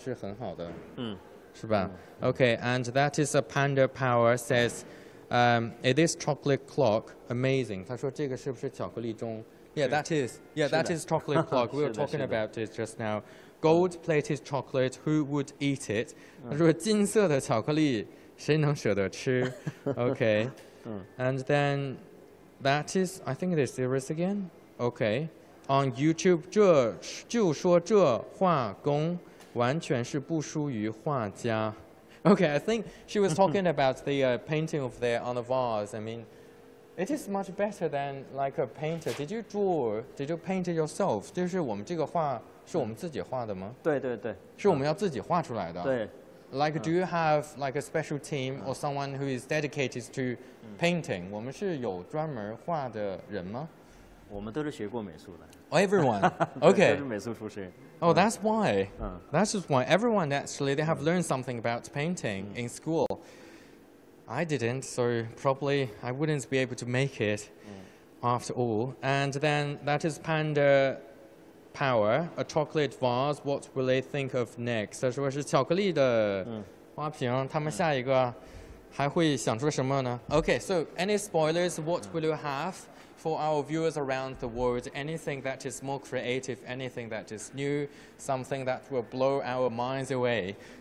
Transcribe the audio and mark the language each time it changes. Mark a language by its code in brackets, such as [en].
[zh] 就是它的意思应该是它的做成它的底料是很好的。是吧? [en] Okay, and that is a Panda Power says, it is chocolate clock, amazing. [zh] 他说这个是不是巧克力钟? [en] Yeah, that is. Yeah, that is chocolate clock. We were talking about it just now. Gold-plated chocolate, who would eat it? [zh] 他说金色的巧克力,谁能舍得吃? [en] Okay. And then, that is, I think it is serious again? Okay. On YouTube, [zh] 就说这画工完全是不输于画家. [en] Okay, I think she was talking about the painting over there on the vase. I mean, it is much better than like a painter. Did you paint it yourself? [zh] 就是我们这个画, 是我们自己画的吗? 对,是我们要自己画出来的。对。 [en] Like, do you have like a special team or someone who is dedicated to painting? [zh] 我们是有专门画的人吗? 我们都是学过美术的。 [en] Oh, everyone? Okay. [zh] 都是美术出身。 [en] Oh, that's why. That's just why. Everyone, actually, they have learned something about painting in school. I didn't, so probably I wouldn't be able to make it after all. And then that is Panda... Power, a chocolate vase, what will they think of next? [zh] 他说是巧克力的花瓶,他们下一个还会想出什么呢? [en] Okay, so any spoilers, what will you have for our viewers around the world? Anything that is more creative, anything that is new, something that will blow our minds away?